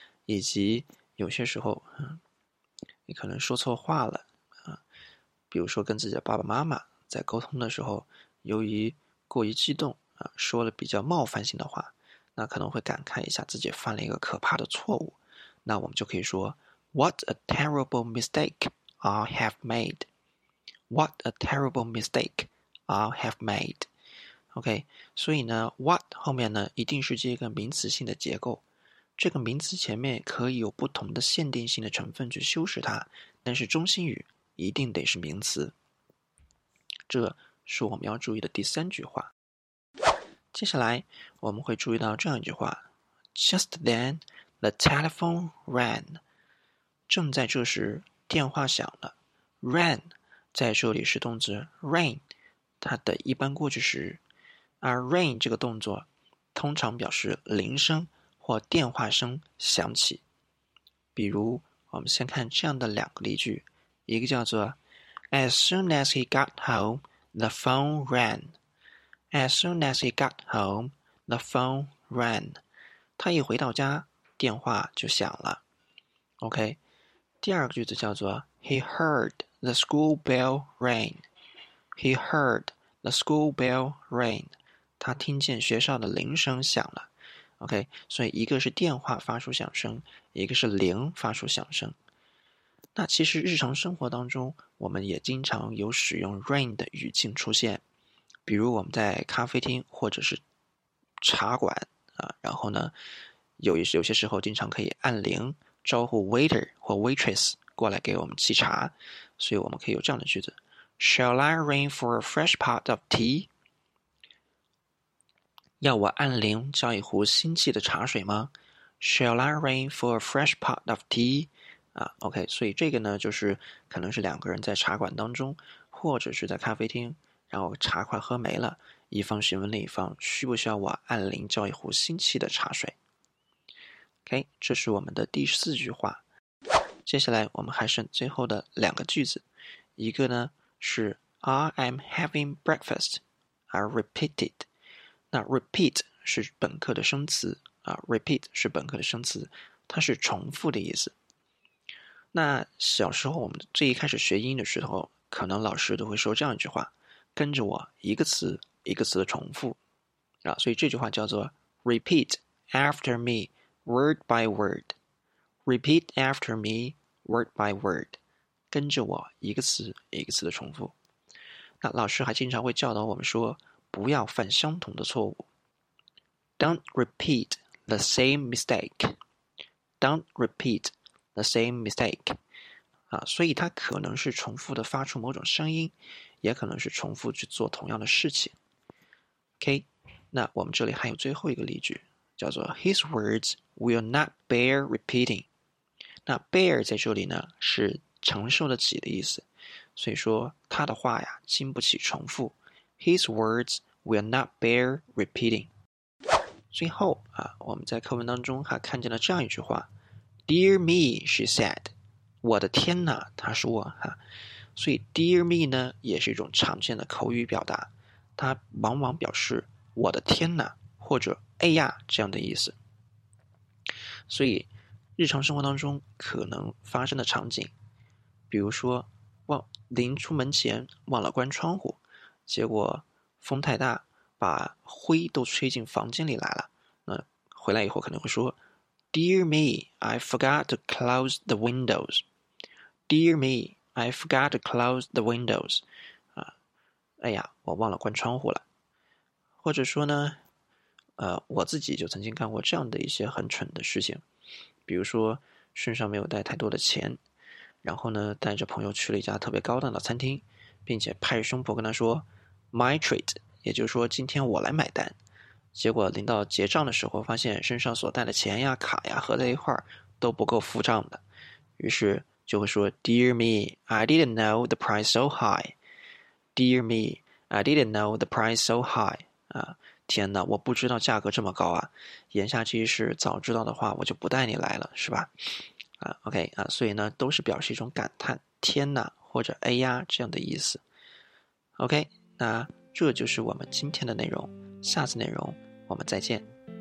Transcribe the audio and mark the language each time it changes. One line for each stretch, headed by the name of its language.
Chinese: 以及有些时候，你可能说错话了啊，比如说跟自己的爸爸妈妈在沟通的时候，由于过于激动啊，说了比较冒犯性的话，那可能会感慨一下自己犯了一个可怕的错误。
English: 那我们就可以说 "What a terrible mistake I have made! What a terrible mistake I have made!"
Chinese: OK，所以呢，"what" 后面呢一定是接一个名词性的结构，这个名词前面可以有不同的限定性的成分去修饰它，但是中心语一定得是名词。这是我们要注意的第三句话。接下来我们会注意到这样一句话：
English: Just then。 The telephone rang。
Chinese: 正在这时，电话响了。 Rang 在这里是动词 rain，它的一般过去时。而 rain 这个动作通常表示铃声或电话声响起。比如，我们先看这样的两个例句，一个叫做
English: "As soon as he got home, the phone rang." As soon as he got home, the phone rang。
Chinese: 他一回到家，电话就响了，OK。第二个句子叫做
English: "He heard the school bell ring." He heard the school bell ring.
Chinese: 他听见学校的铃声响了，OK。所以一个是电话发出响声，一个是铃发出响声。那其实日常生活当中，我们也经常有使用 ring 的语境出现，比如我们在咖啡厅或者是茶馆啊，然后呢。有些时候经常可以按铃招呼 waiter 或 waitress 过来给我们沏茶，所以我们可以有这样的句子：
English: Shall I ring for a fresh pot of tea？
Chinese: 要我按铃叫一壶新沏的茶水吗？
English: Shall I ring for a fresh pot of tea？
Chinese: 啊，OK，所以这个呢，就是可能是两个人在茶馆当中，或者是在咖啡厅，然后茶快喝没了，一方询问另一方需不需要我按铃叫一壶新沏的茶水。 OK，这是我们的第四句话。接下来我们还剩最后的两个句子，一个呢是
English: "I am having breakfast." I repeated。
Chinese: 那 repeat 是本课的生词啊，repeat 是本课的生词，它是重复的意思。那小时候我们最一开始学英语的时候，可能老师都会说这样一句话，跟着我一个词一个词的重复啊，所以这句话叫做
English: repeat after me word by word。
Chinese: Repeat after me, word by word，跟着我一个词一个词的重复。那老师还经常会教导我们说，不要犯相同的错误。
English: Don't repeat the same mistake. Don't repeat the same mistake.
Chinese: 啊，所以它可能是重复的发出某种声音，也可能是重复去做同样的事情。 OK， 那我们这里还有最后一个例句，叫做
English: His words will not bear repeating。
Chinese: 那 bear 在这里呢，是承受得起的意思，所以说他的话呀，经不起重复。
English: His words will not bear repeating。
Chinese: 最后啊，我们在课文当中还看见了这样一句话 ：
English: “Dear me, she said。”
Chinese: 我的天哪，他说哈、啊。所以 ，dear me 呢，也是一种常见的口语表达，它往往表示“我的天哪”或者“哎呀”这样的意思。所以，日常生活当中可能发生的场景，比如说临出门前忘了关窗户，结果风太大把灰都吹进房间里来了，那回来以后可能会说
English: Dear me, I forgot to close the windows. Dear me, I forgot to close the windows.
Chinese: 哎呀，我忘了关窗户了。或者说呢，我自己就曾经干过这样的一些很蠢的事情，比如说身上没有带太多的钱，然后呢带着朋友去了一家特别高档的餐厅，并且拍胸脯跟他说
English: My treat，
Chinese: 也就是说今天我来买单，结果临到结账的时候发现身上所带的钱呀卡呀合在一块儿都不够付账的，于是就会说
English: Dear me, I didn't know the price so high. Dear me, I didn't know the price so high.
Chinese: 啊，天哪，我不知道价格这么高啊，言下之意是早知道的话我就不带你来了，是吧？ OK， 所以呢都是表示一种感叹天哪或者哎呀这样的意思。 OK， 那这就是我们今天的内容，下次内容我们再见。